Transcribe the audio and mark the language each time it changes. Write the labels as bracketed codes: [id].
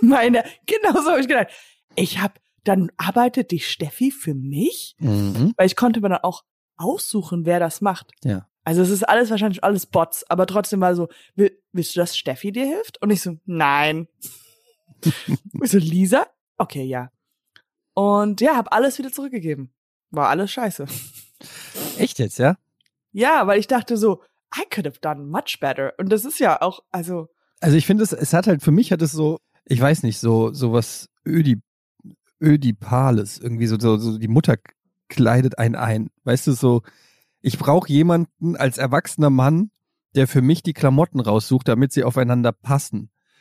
[de] Genau so habe ich gedacht. Dann arbeitet die Steffi für mich, weil ich konnte mir dann auch aussuchen, wer das macht. Ja. Also es ist alles wahrscheinlich alles Bots, aber trotzdem war so, willst du, dass Steffi dir hilft? Und ich so, nein. Ich so, Lisa? Okay, ja. Und ja, habe alles wieder zurückgegeben. War alles scheiße. Echt jetzt, ja? Ja, weil ich dachte so, [en] I could have done much better. [de] Und das ist ja auch, also. Also ich finde, es hat halt, für mich hat es so, ich weiß nicht, so was Ödipales, irgendwie so die Mutter kleidet einen ein. Weißt du, so, ich brauche jemanden als erwachsener Mann, der für mich die Klamotten raussucht, damit sie aufeinander passen.